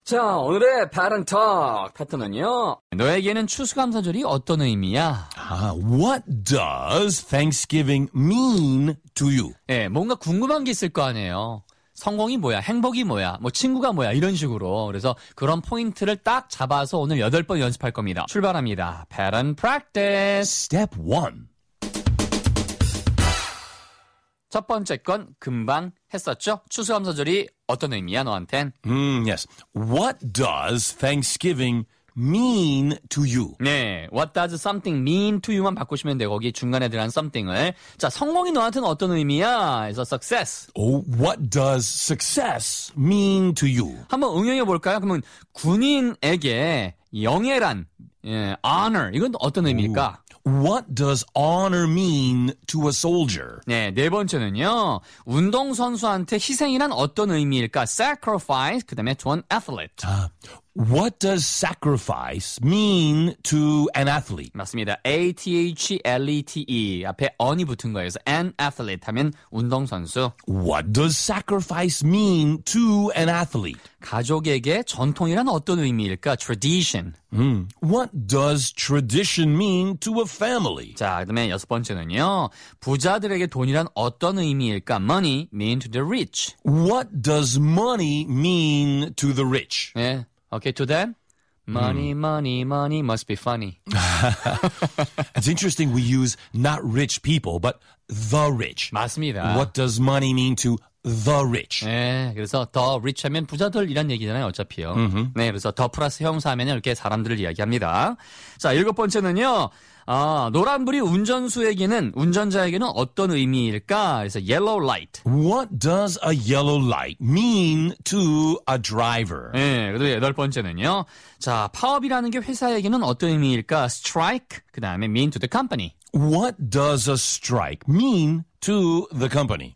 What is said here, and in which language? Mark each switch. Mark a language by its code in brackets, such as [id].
[ko] 자, 오늘의 바른톡 패턴은요. 너에게는 추수감사절이 어떤 의미야? [en] 아, what does Thanksgiving mean to you? [ko] 네, 뭔가 궁금한 게 있을 거 아니에요. 성공이 뭐야, 행복이 뭐야, 뭐 친구가 뭐야 이런 식으로. 그래서 그런 포인트를 딱 잡아서 오늘 8번 연습할 겁니다. 출발합니다. [en] Pattern practice. Step 1. [ko] 첫 번째 건 금방 했었죠? 추수감사절이 어떤 의미야 너한텐? [en] Yes. What does Thanksgiving mean to you? 네, what does something mean to you만 [ko] 바꾸시면 돼요. 거기 중간에 들어간 something을. 자, 성공이 너한테는 어떤 의미야? [en] It's a success. Oh, what does success mean to you? [ko] 한번 응용해 볼까요? 그러면 군인에게 영예란, 예, honor, 이건 어떤 의미일까? [en] What does honor mean to a soldier? [ko] 네, 네 번째는요. 운동선수한테 희생이란 어떤 의미일까? [en] Sacrifice, [ko] 그 다음에 [en] to an athlete. What does sacrifice mean to an athlete? [ko] 맞습니다. A-T-H-L-E-T-E. 앞에 언이 붙은 거예요. [en] So an athlete [ko] 하면 운동선수. [en] What does sacrifice mean to an athlete? [ko] 가족에게 전통이란 어떤 의미일까? [en] Tradition. What does tradition mean to a family? [ko] 자, 그 다음에 여섯 번째는요. 부자들에게 돈이란 어떤 의미일까? [en] Money mean to the rich. What does money mean to the rich? [ko] 네. [en] Okay, to them, money, money, money must be funny. It's interesting we use not rich people, but the rich. [ko] 맞습니다. [en] What does money mean to the rich? [ko] 네, 그래서 the rich 하면 부자들이란 얘기잖아요, 어차피요. Mm-hmm. 네, 그래서 the 플러스 형사하면 이렇게 사람들을 이야기합니다. 자, 일곱 번째는요. 아, 노란불이 운전수에게는, 운전자에게는 어떤 의미일까? [en] 그래서 yellow light. What does a yellow light mean to a driver? [ko] 네, 그리고 여덟 번째는요. 자, 파업이라는 게 회사에게는 어떤 의미일까? [en] Strike, [ko] 그 다음에 [en] mean to the company. What does a strike mean to the company?